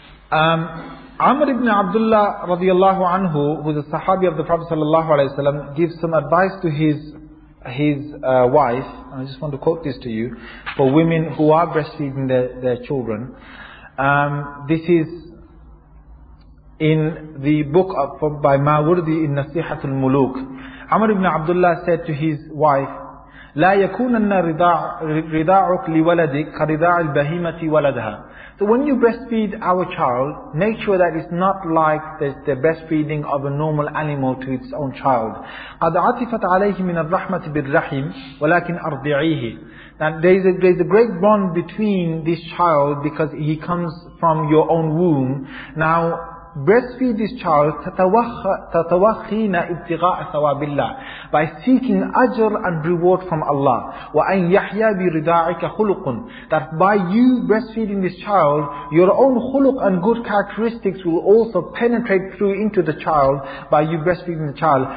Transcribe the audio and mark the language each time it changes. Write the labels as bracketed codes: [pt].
[en] Amr ibn Abdullah radiallahu anhu, who is a sahabi of the Prophet sallallahu alayhi wasallam, gives some advice to his wife. And I just want to quote this to you, for women who are breastfeeding their children. This is in the book by Mawardi in Nasihatul Muluk. [ar] Amr ibn Abdullah [en] said to his wife, [ar] لا يكون رضاعك لولدك كرضاع البهيمة ولدها. [en] So when you breastfeed our child, make sure that it's not like the breastfeeding of a normal animal to its own child. [ar] قد عطفت عليه من الرحمة بالرحم ولكن أرضعيه. [en] That there's a great bond between this child because he comes from your own womb. Now, breastfeed this child, [ar] تَتَوَخِّينَ ابْتِغَاءَ ثَوَابِ اللَّهِ, [en] by seeking ajr and reward from Allah. [ar] وَأَنْ يَحْيَى بِرِضَاعِكَ خُلُقٌ, [en] that by you breastfeeding this child, your own khuluq and good characteristics will also penetrate through into the child by you breastfeeding the child.